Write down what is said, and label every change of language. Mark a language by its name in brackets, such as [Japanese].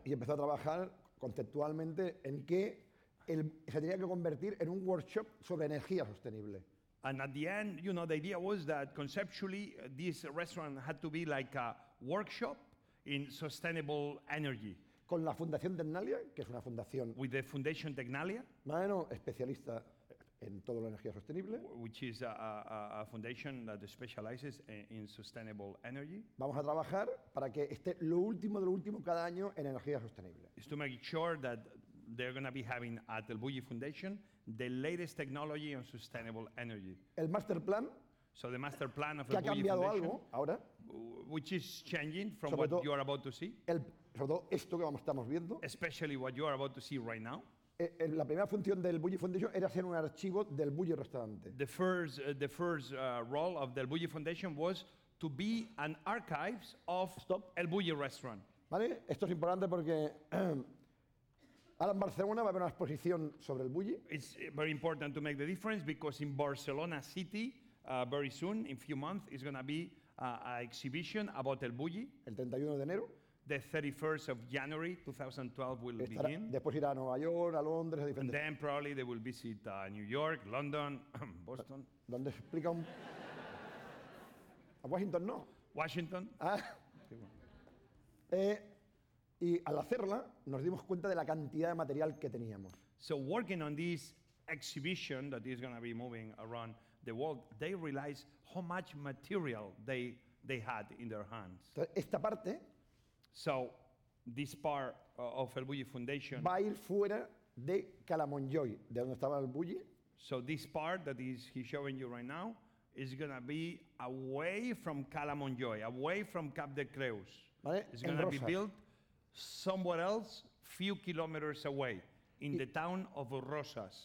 [Spanish] Y empezó a trabajar conceptualmente en que se tenía que convertir en un workshop sobre energía sostenible. [English] And at the end, you know, the idea was that conceptually this restaurant had to be like a workshop in sustainable energy. [Spanish] Con la Fundación Tecnalia, que es una fundación. [English] With the Foundation Tecnalia. [Spanish] Bueno, especialista en todo la energía sostenible. [English] Which is a foundation that specializes in sustainable energy. [Spanish] Vamos a trabajar para que esté lo último de lo último cada año en energía sostenible. [English] Is to make sure that they're going to be having at el bulli Foundation the latest technology on sustainable energy. [Spanish] El master plan. [English] So the master plan of [Spanish] que ha cambiado algo ahora, [English] which is changing from what you are about to see. [Spanish] Sobre todo esto que estamos viendo. [English] Especially what you are about to see right now. [Spanish] La primera función del Bulli Foundation era ser un archivo del Bulli restaurante. [English] The first role of the Bulli Foundation was to be an archives of el Bulli restaurant. [Spanish] ¿Vale? Esto es importante porque ahora en Barcelona va a haber una exposición sobre el Bulli. [English] It's very important to make the difference because in Barcelona city very soon, in few months, is going to be an exhibition about el Bulli. [Spanish] El 31 de enero. [English] The 31st of January 2012 will [Spanish] estará, [English] begin. [Spanish] Después irá a Nueva York, a Londres, a diferentes. [English] And then probably they will visit New York, London, Boston. [Spanish] ¿Dónde explica un? A Washington, no. [English] Washington. Ah. [Spanish] Y al hacerla, nos dimos cuenta de la cantidad de material que teníamos. [English] So working on this exhibition that is going to be moving around the world, they realized how much material they had in their hands. [Spanish] Esta parte. [English] So, this part of el Bulli Foundation. [Spanish] Va a ir fuera de Calamonjoy, de donde estaba el Bulli. [English] So this part that he's showing you right now is going to be away from Calamonjoy, away from Cap de Creus. [Spanish] ¿Vale? [English] It's going to be built somewhere else, few kilometers away, in the town of Rosas.